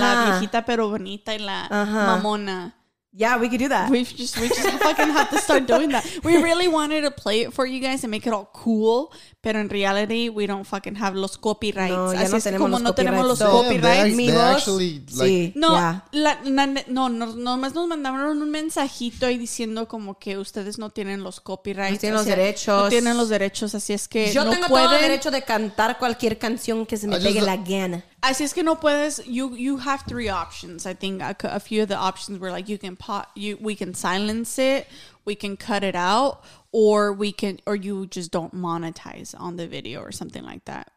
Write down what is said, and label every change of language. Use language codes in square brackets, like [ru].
[es] la viejita pero bonita y la uh-huh. mamona. [en] Yeah, we could do that. We just fucking have to start doing that. We really wanted to play it for you guys and make it all cool, but in reality, we don't fucking have los copyrights. [es] No, así no es como los no tenemos los copyrights. No, nos mandaron un mensajito ahí diciendo como que ustedes no tienen los copyrights. No tienen los derechos. No tienen los derechos, así es que yo no tengo pueden. Todo el derecho de cantar cualquier canción que se me pegue la gana. Así es que no puedes. [en] You have three options. I think a few of the options were like we can silence it, we can cut it out, or you just don't monetize on the video or something like that.